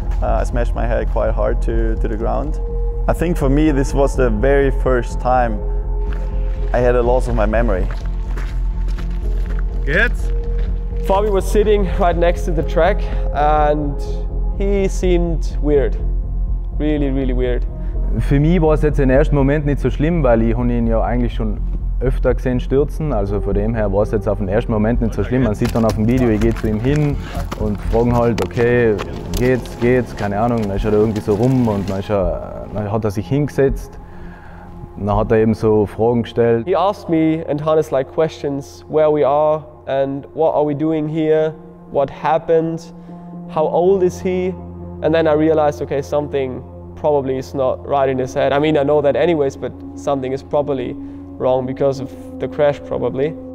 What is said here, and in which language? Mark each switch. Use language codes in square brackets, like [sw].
[en] I smashed my head quite hard to the ground. I think for me, this was the very first time I had a loss of my memory. Good. Fabi was sitting right next to the track and he seemed weird. Really, really weird. [de] Für mich war es jetzt im ersten Moment nicht so schlimm, weil ich ihn ja eigentlich schon öfter gesehen stürzen. Also von dem her war es jetzt auf den ersten Moment nicht so schlimm. Man sieht dann auf dem Video, ich gehe zu ihm hin und frage halt, okay, geht's, keine Ahnung. Dann ist er irgendwie so rum und dann hat er sich hingesetzt. Dann hat eben so Fragen gestellt. [en] He asked me and Hannes like questions, where we are and what are we doing here, what happened, how old is he? And then I realized, okay, something probably is not right in his head. I mean, I know that anyways, but something is probably wrong because of the crash probably.